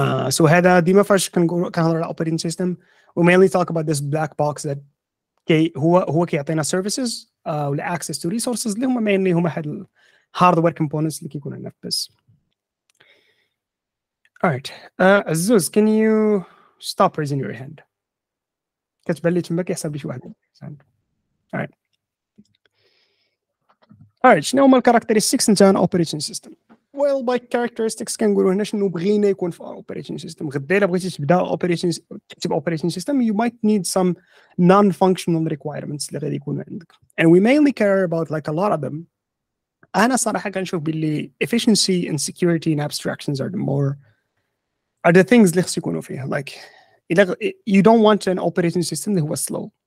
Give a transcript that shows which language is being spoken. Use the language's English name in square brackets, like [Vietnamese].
[Arabic] So هذا ديما فاش كنهضر على operating system [English] we mainly talk about this black box that [Arabic] هو كيعطينا services ولا access to resources اللي هما mainly هما هاد hardware components اللي كيكونوا عندنا في بس. [English] Alright, Azuz, can you stop raising your hand? [Arabic] كتبان لي تماك يحسب لي شي واحد. All right, شنو هما الكاركتيرستيكس نتاع ان اوبريتين سيستم؟ [English] Well, by characteristics [Arabic] كنقولوا هنا شنو بغينا يكون في اوبريتين سيستم. غدا الا بغيتي تبدا اوبريتين سيستم, [English] you might need some non-functional requirements [Arabic] اللي غادي يكونوا عندك. [English] And we mainly care about like a lot of them. [Arabic] انا صراحه كنشوف باللي [English] efficiency and security and abstractions are the things [Arabic] اللي خص يكونوا فيها. [English] Like you don't want an operating system that was slow.